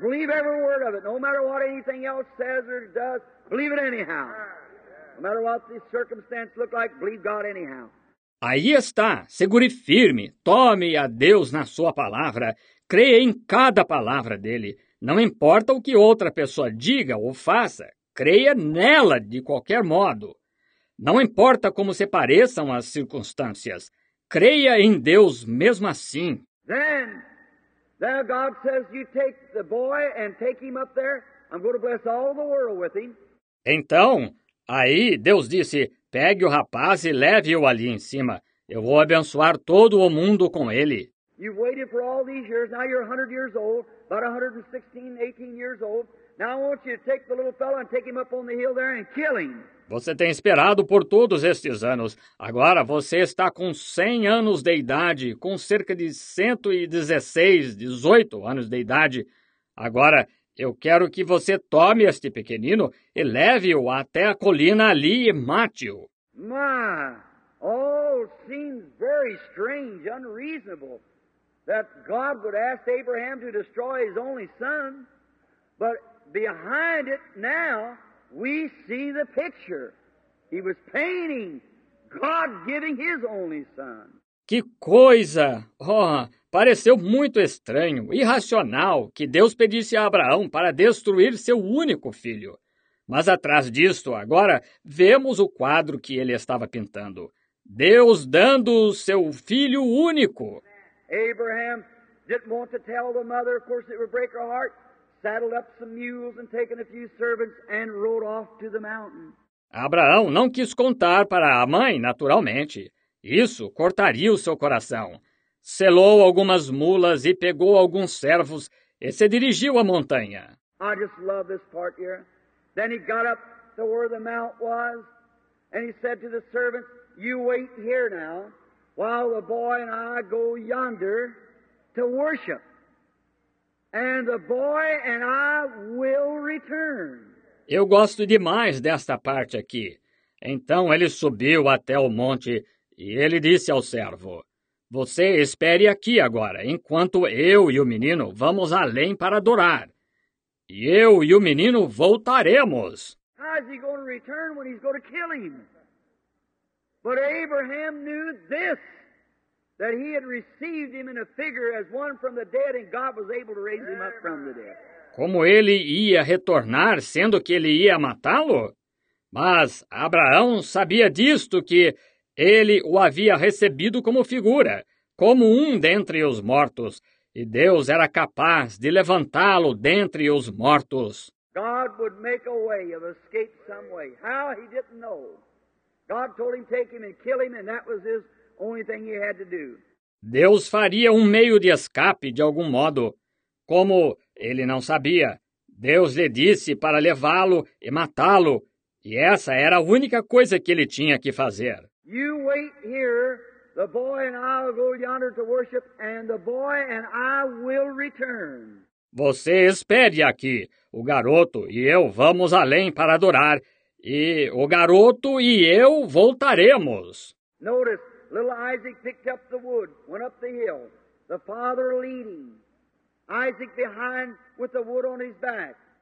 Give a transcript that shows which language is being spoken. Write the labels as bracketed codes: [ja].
[en] Believe every word of it. No matter what anything else says or does, believe it anyhow. No matter what the circumstances look like, believe God anyhow. [pt] Aí está, segure firme, tome a Deus na sua palavra, creia em cada palavra dele. Não importa o que outra pessoa diga ou faça, creia nela de qualquer modo. Não importa como se pareçam as circunstâncias, creia em Deus mesmo assim. [en] Then, there God says, you take the boy and take him up there, I'm going to bless all the world with him. [pt] Então, aí Deus disse, pegue o rapaz e leve-o ali em cima. Eu vou abençoar todo o mundo com ele. [en] You've waited for all these years, now you're 100 years old, about 116, 18 years old. Now I want you to take the little fellow and take him up on the hill there and kill him. [pt] Você tem esperado por todos estes anos. Agora você está com 100 anos de idade, com cerca de 116, 18 anos de idade. Agora, eu quero que você tome este pequenino e leve-o até a colina ali e mate-o. [en] My, all seems very strange, unreasonable, that God would ask Abraham to destroy his only son. But behind it now, we see the picture. He was painting God giving his only son. [pt] Que coisa! Oh, pareceu muito estranho, irracional, que Deus pedisse a Abraão para destruir seu único filho. Mas atrás disto, agora, vemos o quadro que ele estava pintando. Deus dando o seu filho único. [en] Abraham didn't want to tell the mother, of course it would break her heart, saddled up some mules and taken a few servants and rode off to the mountain. [pt] Abraão não quis contar para a mãe, naturalmente. Isso cortaria o seu coração. Selou algumas mulas e pegou alguns servos e se dirigiu à montanha. [en] I just love this part here. Then he got up to where the mount was and he said to the servants, "You wait here now while the boy and I go yonder to worship. And the boy and I will return." [pt] Eu gosto demais desta parte aqui. Então ele subiu até o monte e ele disse ao servo, "Você espere aqui agora, enquanto eu e o menino vamos além para adorar. E eu e o menino voltaremos." [en] How is he going to return when he's going to kill him? But Abraham knew this, that he had received him in a figure as one from the dead, and God was able to raise him up from the dead. [pt] Como ele ia retornar, sendo que ele ia matá-lo? Mas Abraão sabia disto, que ele o havia recebido como figura, como um dentre os mortos, e Deus era capaz de levantá-lo dentre os mortos. [en] God would make a way of escape some way. How, he didn't know. God told him, take him and kill him, and that was his only thing he had to do. [pt] Deus faria um meio de escape de algum modo. Como ele não sabia, Deus lhe disse para levá-lo e matá-lo, e essa era a única coisa que ele tinha que fazer. [en] You wait here, the boy and I will go yonder to worship, and the boy and I will return. [pt] Você espere aqui, o garoto e eu vamos além para adorar, e o garoto e eu voltaremos. [en] Notice, little Isaac picked up the wood, went up the hill, the father leading, Isaac behind with the wood on his back.